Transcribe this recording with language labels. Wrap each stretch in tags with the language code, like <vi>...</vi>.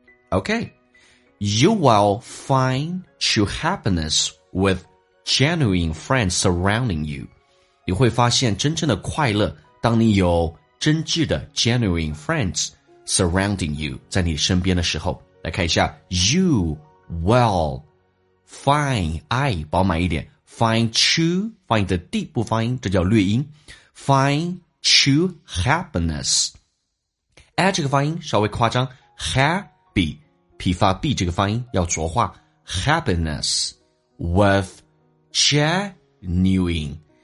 <en>OK， You will find true happiness with genuine friends surrounding you。</en> <zh>你会发现真正的快乐，当你有真挚的</zh> <en>genuine friendsSurrounding you，</en> <zh>在你身边的时候。来看一下 You will find， I 饱满一点， Find true， Find the D 不发音，这叫略音，</zh> <en>Find true happiness。</en> <zh>A 这个发音稍微夸张， Happy， 皮发 B 这个发音要浊化，</zh> <en>Happiness with genuine。</en>